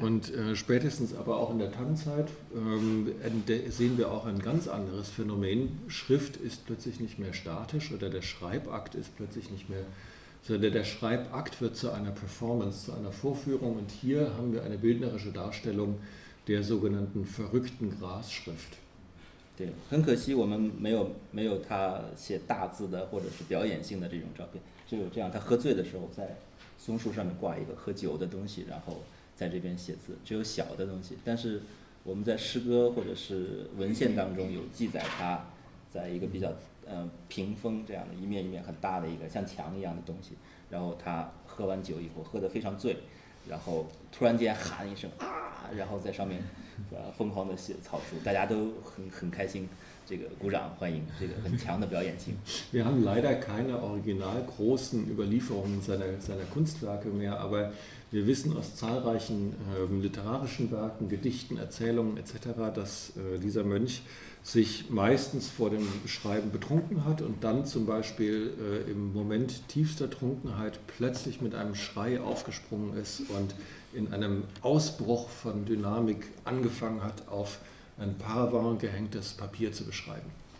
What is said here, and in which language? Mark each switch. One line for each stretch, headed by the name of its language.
German: Und spätestens aber auch in der Tang-Zeit sehen wir auch ein ganz anderes Phänomen. Schrift ist plötzlich nicht mehr statisch oder der Schreibakt ist plötzlich nicht mehr, sondern der Schreibakt wird zu einer Performance, zu einer Vorführung. Und hier haben wir eine bildnerische Darstellung der sogenannten verrückten Grasschrift.
Chinese: 对，很可惜我们没有他写大字的或者是表演性的这种照片。只有这样，他喝醉的时候在松树上面挂一个喝酒的东西，然后在这边写字。只有小的东西，但是我们在诗歌或者是文献当中有记载他在一个比较屏风这样的一面一面很大的一个像墙一样的东西，然后他喝完酒以后喝得非常醉，然后突然间喊一声啊，然后在上面疯狂的写草书，大家都很开心，这个鼓掌欢迎，这个很强的表演性。
German: Wir haben leider keine original großen Überlieferungen seiner Kunstwerke mehr, aber wir wissen aus zahlreichen literarischen Werken, Gedichten, Erzählungen etc., dass dieser Mönch sich meistens vor dem Schreiben betrunken hat und dann zum Beispiel im Moment tiefster Trunkenheit plötzlich mit einem Schrei aufgesprungen ist und in einem Ausbruch von Dynamik angefangen hat, auf ein Paravent gehängtes Papier zu beschreiben.